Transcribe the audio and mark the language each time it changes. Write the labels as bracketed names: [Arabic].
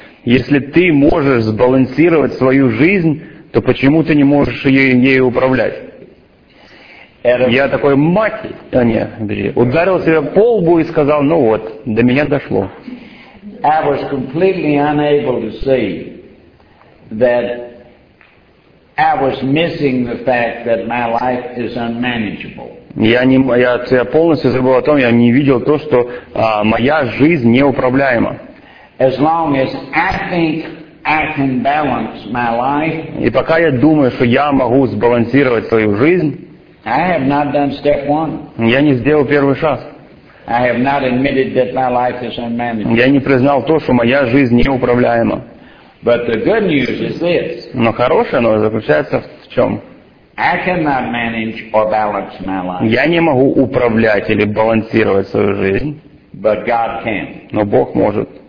[Russian] Если ты можешь сбалансировать свою жизнь, то почему ты не можешь ею управлять? Я такой, ударил себя по лбу и сказал, ну вот, до меня дошло. [English] I was completely unable to see that I was missing the fact that my life is unmanageable. [Russian] Я полностью забыл о том, я не видел то, что моя жизнь неуправляема. [English] As long as I think I can balance my life, [Russian] и пока я думаю, что я могу сбалансировать свою жизнь, [English] I have not done step one. [Russian] Я не сделал первый шаг. [English] I have not admitted that my life is unmanageable. [Russian] Я не признал то, что моя жизнь неуправляема. [English] But the good news is this. [Russian] Но хорошая новость заключается в чем? [English] I cannot manage or balance my life. [Russian] Я не могу управлять или балансировать свою жизнь. [English] But God can. [Russian] Но Бог может.